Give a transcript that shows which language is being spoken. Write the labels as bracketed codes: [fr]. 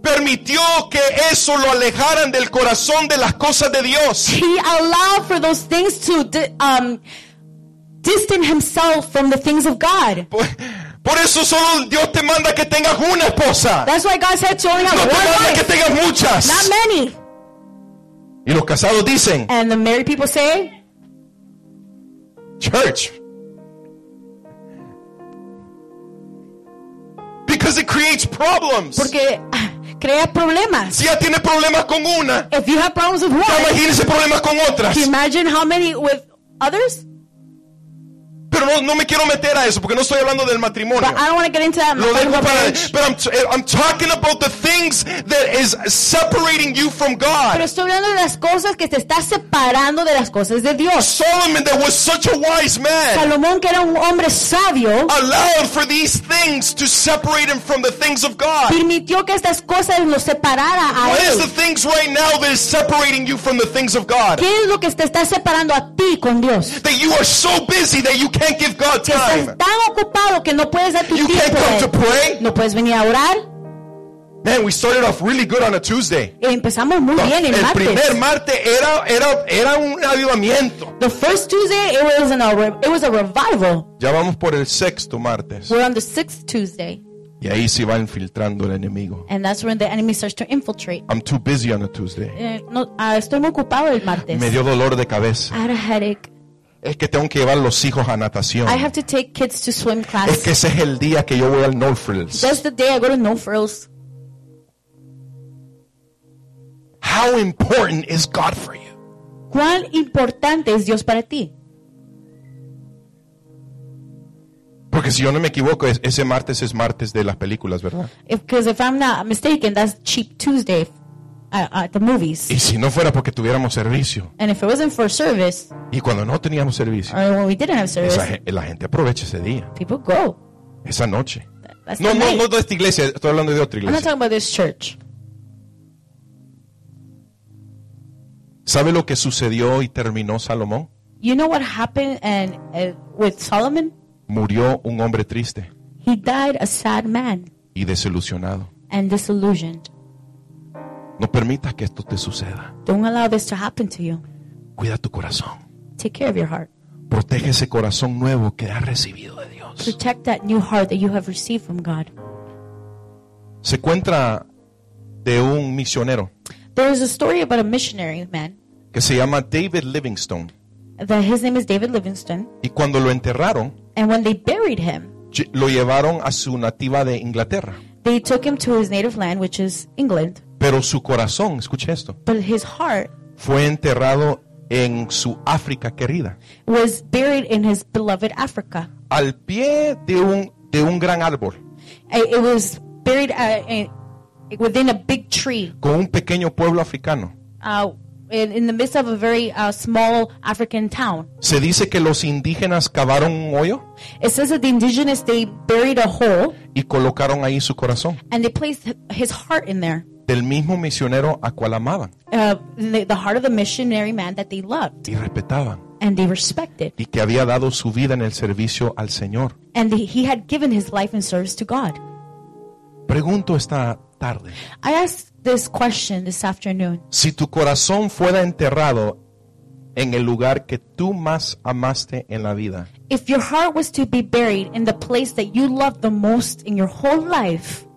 [es] Permitió que eso lo alejaran del corazón de las cosas de Dios. [en] He allowed for those things to distance himself from the things of God. [es] Por eso solo Dios te manda que tengas una esposa. [en] That's why God said to only have one wife. [es] No te manda que tengas muchas. [en] Not many. [es] Y los casados dicen. [en] And the married people say. Church. it creates problems. [es] Porque crea problemas. Si ya tiene problemas con una, [en] if you have problems with one, [es] imagínese problemas con otras. [en] Can you imagine how many with others? [es] Pero no, no me quiero meter a eso porque no estoy hablando del matrimonio. [en] But I don't want to get into that. [es] Lo dejo para, [en] but I'm talking about the things that is separating you from God. [es] Pero estoy hablando de las cosas que te está separando de las cosas de Dios. [en] Solomon, that was such a wise man. [es] Salomón, que era un hombre sabio, [en] allowed for these things to separate him from the things of God. [es] Permitió que estas cosas lo separara a él. [en] What is the things right now that is separating you from the things of God? [es] ¿Qué es lo que te está separando a ti con Dios? [en] That you are so busy that you can't give God time. [es] Que estás tan ocupado que no puedes dar tu [en] you [es] tiempo. [en] Can't come to pray. [es] No puedes venir a orar. [en] Man, we started off really good on a Tuesday. [es] Empezamos muy bien el martes. El primer martes era un avivamiento. [en] The first Tuesday it was a revival. [es] Ya vamos por el sexto martes. [en] We're on the sixth Tuesday. [es] Y ahí se va infiltrando el enemigo. [en] And that's when the enemy starts to infiltrate. I'm too busy on a Tuesday. [es] Estoy muy ocupado el martes. Me dio dolor de cabeza. [en] I had a headache. [es] Es que tengo que llevar los hijos a natación. [en] I have to take kids to swim class. [es] Es que ese es el día que yo voy al No Frills. [en] That's the day I go to No Frills. How important is God for you? [es] ¿Cuán importante es Dios para ti? Porque si yo no me equivoco, ese martes es martes de las películas, ¿verdad? [en] Because if I'm not mistaken, that's Cheap Tuesday at the movies. [es] Y si no fuera porque tuviéramos servicio. [en] And if it wasn't for service. [es] Y cuando no teníamos servicio. [en] Or when we didn't have service. [es] La gente aprovecha ese día. [en] People go. [es] Esa noche. [en] That's [es] no, [en] the [es] no, [en] night. [es] No de esta iglesia. Estoy hablando de otra iglesia. [en] I'm not talking about this church. [es] ¿Sabe lo que sucedió y terminó Salomón? [en] You know what happened and with Solomon? [es] Murió un hombre triste. [en] He died a sad man. [es] Y desilusionado. [en] And disillusioned. [es] No permitas que esto te suceda. [en] Don't allow this to happen to you. [es] Cuida tu corazón. [en] Take care of your heart. [es] Protege ese corazón nuevo que has recibido de Dios. [en] Protect that new heart that you have received from God. [es] Se encuentra de un misionero. [en] There is a story about a missionary man. [es] Que se llama David Livingstone. [en] That his name is David Livingstone. [es] Y cuando lo enterraron. [en] And when they buried him. [es] Lo llevaron a su nativa de Inglaterra. [en] They took him to his native land, which is England. [es] Pero su corazón, escuche esto. [en] But his heart [es] fue enterrado en su África querida. [en] Was buried in his beloved Africa. [es] Al pie de un gran árbol. [en] It was buried within a big tree. [es] Con un pequeño pueblo africano. [en] In the midst of a very small African town. [es] Se dice que los indígenas cavaron un hoyo. [en] It says that the indigenous they buried a hole. [es] Y colocaron ahí su corazón. [en] And they placed his heart in there. [es] Del mismo misionero a cual amaban. [en] The heart of the missionary man that they loved. [es] Y respetaban. [en] And they respected. [es] Y que había dado su vida en el servicio al Señor. [en] And he had given his life in service to God. [es] Pregunto esta tarde. [en] I ask this question this afternoon. [es] Si tu corazón fuera enterrado en el lugar que tú más amaste en la vida. [en] If your heart was to be buried in the place that you loved the most in your whole life.